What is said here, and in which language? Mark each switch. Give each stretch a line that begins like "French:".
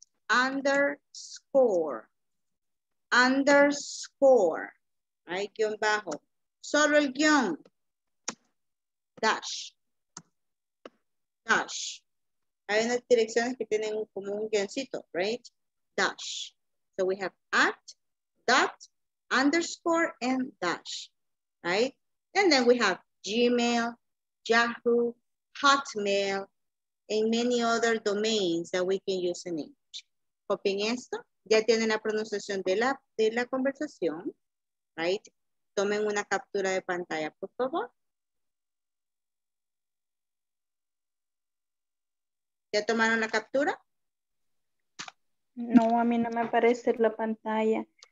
English: Underscore. Underscore.
Spanish: Ahí right, guión bajo. Solo el guión.
English: Dash. Dash.
Spanish: Hay unas direcciones que tienen como un guioncito, right?
English: Dash. So we have at, dot, underscore, and dash, right? And then we have Gmail, Yahoo, Hotmail, and many other domains that we can use in English.
Spanish: Copien esto. Ya tienen la pronunciación de la conversación, right? Tomen una captura de pantalla, por favor. ¿Ya tomaron la captura? No, a mí no me aparece la pantalla.